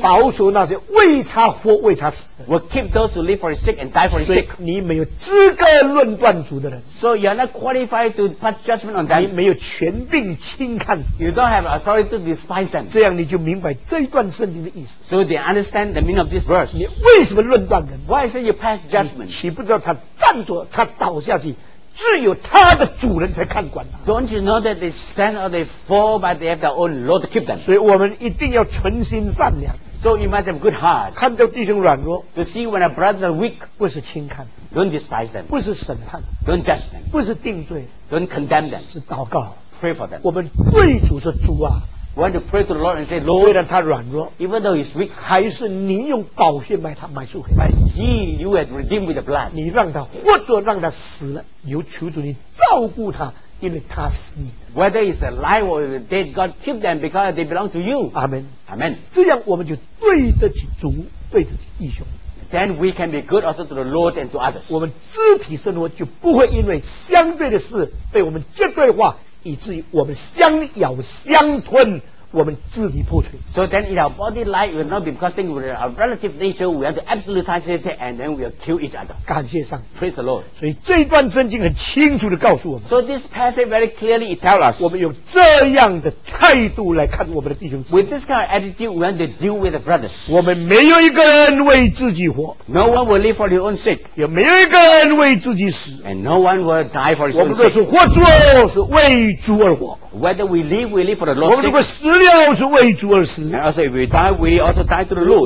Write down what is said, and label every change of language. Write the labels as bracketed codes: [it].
[zh] 保守那些为他活为他死的， [en] will keep those who live for his sake and die for his sake. [zh] 你没有资格论断主的人， [en] so you are not qualified to pass judgment on them. [zh] 你没有权柄轻看， [en] you don't have authority to despise them. [zh] 这样你就明白这一段圣经的意思， [en] so they understand the meaning of this verse. [zh] 你为什么论断人？ [en] Why is it you pass judgment? [zh] 岂不知道他站着他倒下去只有他的主人才看管他。 [en] Don't you know that they stand or they fall, but they have their own Lord to keep them? [zh] 所以我们一定要存心善良。 [en] So you must have good heart. [zh] 看到弟兄软弱。 [en] To see when a brother is weak, [zh] 不是轻看。 [en] Don't despise them. [zh] 不是审判。 [en] Don't judge them. [zh] 不是定罪。 [en] Don't condemn them. [zh] 是祷告。 [en] Pray for them. [zh] 我们对主说主啊。 [en] We want to pray to the Lord and say, Lord, [zh] 虽然他软弱， [en] even though he's weak, [zh] 还是你用宝血买他买赎回来， [en] but he, you had redeemed with the blood. [zh] 你让他活着，让他死了，由求主你照顾他，因为他是你。 [en] Whether he's alive or dead, God keep them because they belong to you. Amen. Amen. [zh] 这样我们就对得起主，对得起弟兄。 [en] Then we can be good also to the Lord and to others. [zh] 我们肢体生活就不会因为相对的事被我们绝对化，以至于我们相咬相吞，我们支离破碎。 [en] So then in our body life will not be because things with our relative nature, we have to absolutize it and then we'll kill each other. [zh] 感谢上帝。 [en] Praise the Lord. [zh] 所以这段圣经很清楚地告诉我们。 [en] So this passage very clearly tells us. [zh] 我们用这样的态度来看我们的弟兄姊妹。 [en] With this kind of attitude, we have to deal with the brothers. [zh] 我们没有一个人为自己活。 [en] No one will live for their own sake. [zh] 也没有一个人为自己死。 [en] And no one will die for his own sake. [zh] 我们这是活主，是为主而活。 [en] Whether we live for the Lord's sake. [zh] 我们如果死了，是为主而死。 [en] And also if we die, we also die to the Lord.